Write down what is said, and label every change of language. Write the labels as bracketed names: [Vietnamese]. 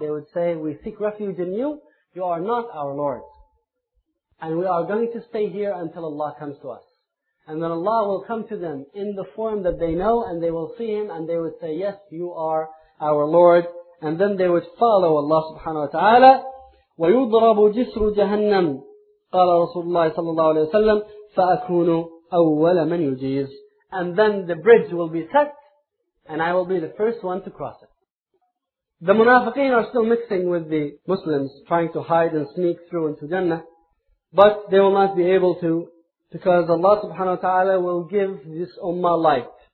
[English] They would say, we seek refuge in you. You are not our Lord. And we are going to stay here until Allah comes to us. And then Allah will come to them in the form that they know and they will see Him and they would say, yes, you are our Lord. And then they would follow Allah subhanahu wa ta'ala. [Arabic] وَيُضْرَبُ جِسْرُ جَهَنَّمُ قال رسول الله صلى الله عليه وسلم فأكون أول من يجيز. [English] And then the bridge will be set and I will be the first one to cross it. The munafiqeen are still mixing with the Muslims, trying to hide and sneak through into Jannah, but they will not be able to, because Allah subhanahu wa ta'ala will give this ummah light.